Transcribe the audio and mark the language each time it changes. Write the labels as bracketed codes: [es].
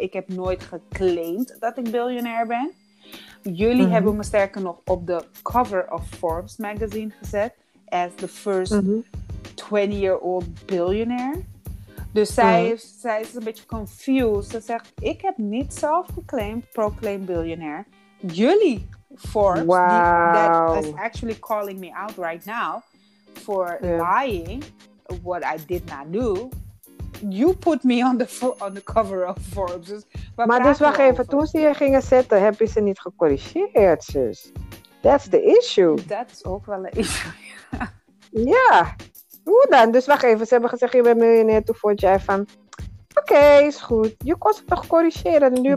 [nl] Ik heb nooit geclaimd dat ik biljonair ben. Jullie hebben me sterker nog op de [en] cover of [nl] Forbes magazine gezet. [en] As the first 20-year-old billionaire. [nl] Dus zij is een beetje confused. Ze zegt, ik heb niet zelf geclaimd, [en] proclaimed billionaire. [nl] Jullie, [en] Forbes, that is actually calling me out right now for lying, what I did not do. You put me on the cover of Forbes. [nl] Dus maar dus wacht even, toen ze je gingen zetten, heb je ze niet gecorrigeerd, zus. [en] That's the issue. [nl] Dat is ook wel een issue. Ja, hoe dan? Dus wacht even, ze hebben gezegd, je bent miljonair, toen vond jij van, oké, is goed. Je kon ze toch corrigeren. Nu